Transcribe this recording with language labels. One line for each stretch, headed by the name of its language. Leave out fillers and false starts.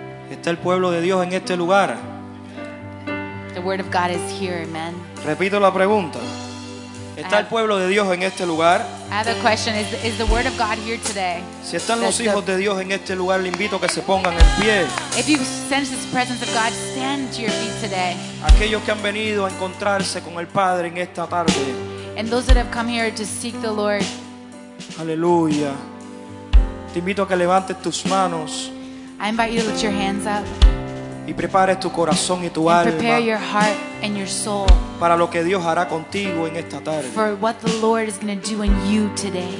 Spanish: Está el pueblo de Dios en este lugar.
English: The word of God is here, amen.
Spanish: Repito la pregunta. ¿Está el pueblo de Dios en este lugar?
English: I have a question. Is the word of God here today?
Spanish: Si están los hijos de Dios en este lugar, le invito a que se pongan en pie.
English: If you sense the presence of God, stand to your feet today.
Spanish: Aquellos que han venido a encontrarse con el Padre en esta tarde.
English: And those that have come here to seek the Lord.
Spanish: Aleluya. Te invito a que levantes tus manos.
English: I invite you to lift your hands up.
Spanish: Y prepares tu corazón y tu
English: and
Spanish: alma.
English: Prepare your heart and your soul.
Spanish: Para lo que Dios hará contigo en esta tarde.
English: For what the Lord is going to do in you today.